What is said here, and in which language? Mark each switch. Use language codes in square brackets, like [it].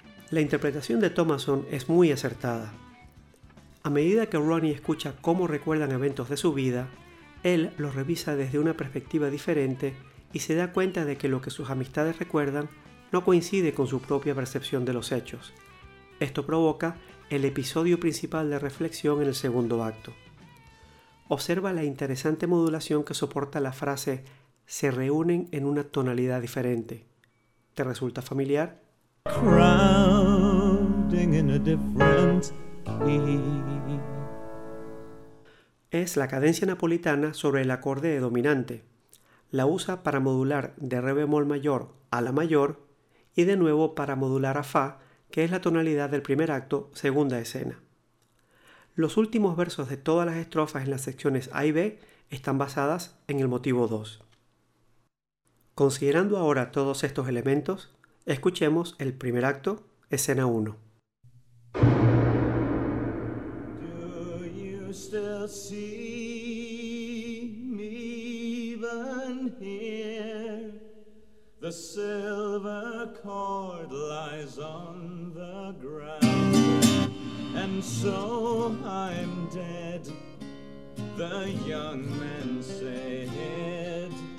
[es] La interpretación de Thomason es muy acertada. A medida que Ronnie escucha cómo recuerdan eventos de su vida, él los revisa desde una perspectiva diferente y se da cuenta de que lo que sus amistades recuerdan no coincide con su propia percepción de los hechos. Esto provoca el episodio principal de reflexión en el segundo acto. Observa la interesante modulación que soporta la frase "se reúnen en una tonalidad diferente". ¿Te resulta familiar? [en] Crowding in a different key. [es] Es la cadencia napolitana sobre el acorde de dominante. La usa para modular de re bemol mayor a la mayor y de nuevo para modular a fa, que es la tonalidad del primer acto, segunda escena. Los últimos versos de todas las estrofas en las secciones A y B están basadas en el motivo 2. Considerando ahora todos estos elementos, escuchemos el primer acto, escena 1. [en] Do you still see me even here? The silver cord lies on the ground. And so I'm dead, the young man said.